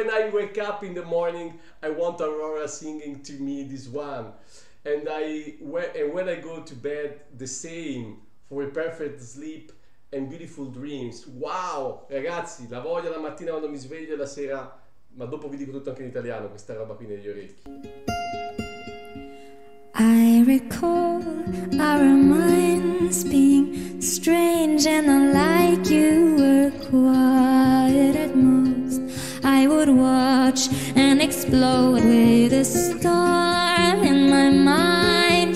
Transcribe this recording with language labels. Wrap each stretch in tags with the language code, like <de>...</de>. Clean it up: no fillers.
<en>Wake up in the morning, I want Aurora singing to me this one, and when I go to bed the same, for a perfect sleep and beautiful dreams.</en> <it>Wow, ragazzi, la voglio la mattina quando mi sveglio e la sera, ma dopo vi dico tutto anche in italiano, questa roba qui negli orecchi.</it> <en>I recall our minds being strange and unlike you were quiet at most. I would watch and explode with a storm in my mind.</en>